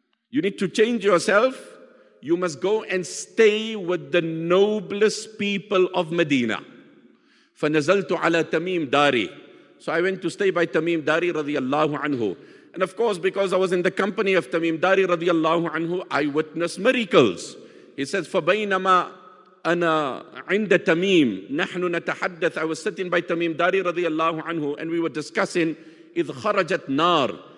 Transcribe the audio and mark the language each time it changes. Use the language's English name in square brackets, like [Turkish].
[English] You need to change yourself. You must go and stay with the noblest people of Medina. [Arabic] فَنَزَلْتُ عَلَى تَمِيمْ دَارِي. [English] So I went to stay by Tamim Dari radiallahu anhu. And of course, because I was in the company of Tamim Dari radiallahu anhu, I witnessed miracles. He says, [Arabic] فَبَيْنَمَا أَنَا عِنْدَ تَمِيمْ نَحْنُ نَتَحَدَّثْ. [English] I was sitting by Tamim Dari radiallahu anhu and we were discussing, [Arabic] إِذْ خَرَجَتْ نَارِ.